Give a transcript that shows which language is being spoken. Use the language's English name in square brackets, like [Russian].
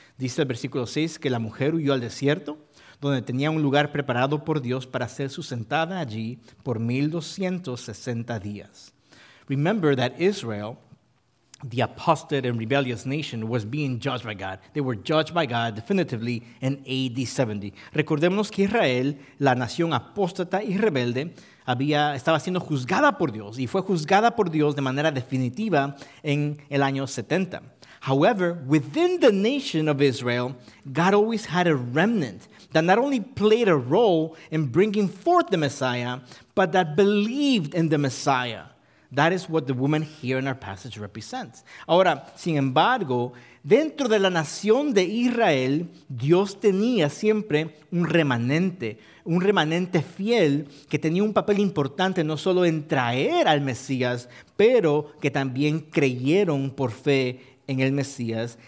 [Spanish] Dice el versículo 6 que la mujer huyó al desierto donde tenía un lugar preparado por Dios para ser sustentada allí por 1,260 días. [English] Remember that Israel, the apostate and rebellious nation, was being judged by God. They were judged by God definitively in AD 70. [Spanish] Recordemos que Israel, la nación apóstata y rebelde, estaba siendo juzgada por Dios y fue juzgada por Dios de manera definitiva en el año 70. [English] However, within the nation of Israel, God always had a remnant that not only played a role in bringing forth the Messiah, but that believed in the Messiah. That is what the woman here in our passage represents. [Spanish] Ahora, sin embargo, dentro de la nación de Israel, Dios tenía siempre un remanente fiel que tenía un papel importante no solo en traer al Mesías, pero que también creyeron por fe en el Mesías.